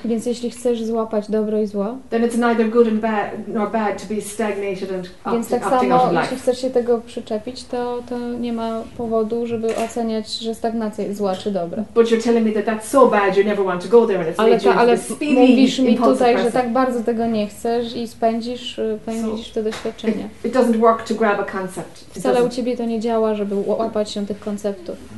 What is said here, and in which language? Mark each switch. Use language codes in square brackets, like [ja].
[pl] więc jeśli chcesz złapać dobro i zło, [en] then it's neither good and bad nor bad to be stagnated and opting out of life. [pl] Więc tak samo, jeśli chcesz się tego przyczepić, to nie ma powodu, żeby oceniać, że stagnacja jest zła czy dobra. [en] But you're telling me that that's so bad you never want to go there and it's leading you to this speedy impulsive process. [pl] Ale mówisz mi tutaj, że tak bardzo tego nie chcesz i pędzisz to doświadczenie. [en] It doesn't work to grab a concept. [pl] Wcale u ciebie to nie działa, żeby łapać się tych konceptów.